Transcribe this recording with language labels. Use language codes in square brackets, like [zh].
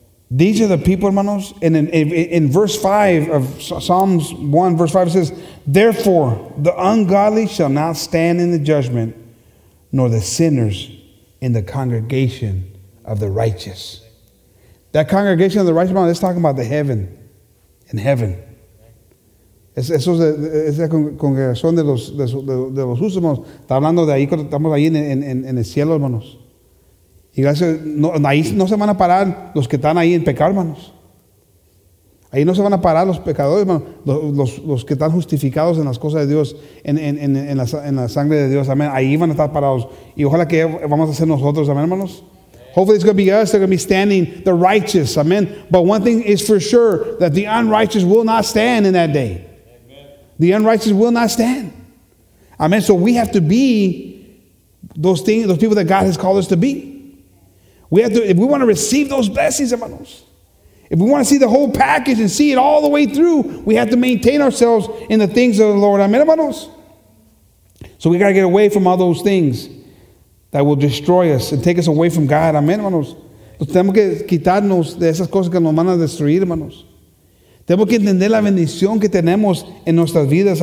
[en] These are the people, [es] hermanos. [en] And in verse 5 of Psalms 1, verse 5, it says, "Therefore, the ungodly shall not stand in the judgment, nor the sinners in the congregation of the righteous." That congregation of the righteous, [es] hermanos, [en] it's talking about the heaven. In heaven. [es] Eso es la congregación de los justos, hermanos. Está hablando de ahí, estamos ahí en el cielo, hermanos. Y gracias, ahí no se van a parar los que están ahí en pecado, hermanos. Ahí no se van a parar los pecadores, hermanos. Los que están justificados en las cosas de Dios, en la sangre de Dios, amén. Ahí van a estar parados. Y ojalá que vamos a ser nosotros, amén, hermanos. [en] Hopefully it's going to be us. They're going to be standing, the righteous, amén. But one thing is for sure, that the unrighteous will not stand in that day. Amen. The unrighteous will not stand. Amén. So we have to be those things, those people that God has called us to be. We have to, if we want to receive those blessings, [es] hermanos, [en] if we want to see the whole package and see it all the way through, we have to maintain ourselves in the things of the Lord. Amen, hermanos. So we got to get away from all those things that will destroy us and take us away from God. [es] Amen, hermanos. Tenemos que quitarnos de esas cosas que nos van a destruir, hermanos. Tenemos que entender la bendición que tenemos en nuestras vidas.